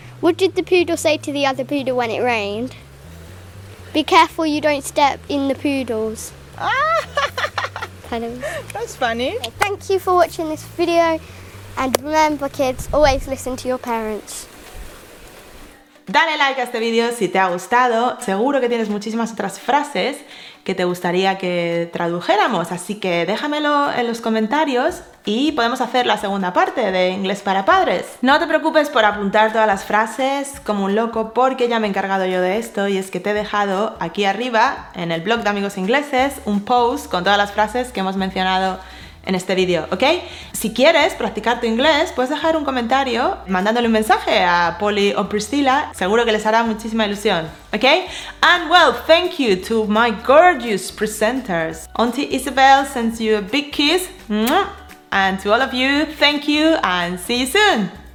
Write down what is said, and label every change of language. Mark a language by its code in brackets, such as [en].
[en] What did the poodle say to the other poodle when it rained? Be careful you don't step in the poodles. That's funny. Okay, thank you for watching this video. And remember kids, always listen to your parents. [es] Dale like a este video si te ha gustado. Seguro que tienes muchísimas otras frases que te gustaría que tradujéramos. Así que déjamelo en los comentarios y podemos hacer la segunda parte de Inglés para Padres. No te preocupes por apuntar todas las frases como un loco porque ya me he encargado yo de esto y es que te he dejado aquí arriba, en el blog de Amigos Ingleses, un post con todas las frases que hemos mencionado en este vídeo, ¿ok? Si quieres practicar tu inglés, puedes dejar un comentario mandándole un mensaje a Polly o Priscilla. Seguro que les hará muchísima ilusión, ¿ok? [en] And well, thank you to my gorgeous presenters. Auntie Isabel sends you a big kiss. ¡Muah! And to all of you, thank you and see you soon.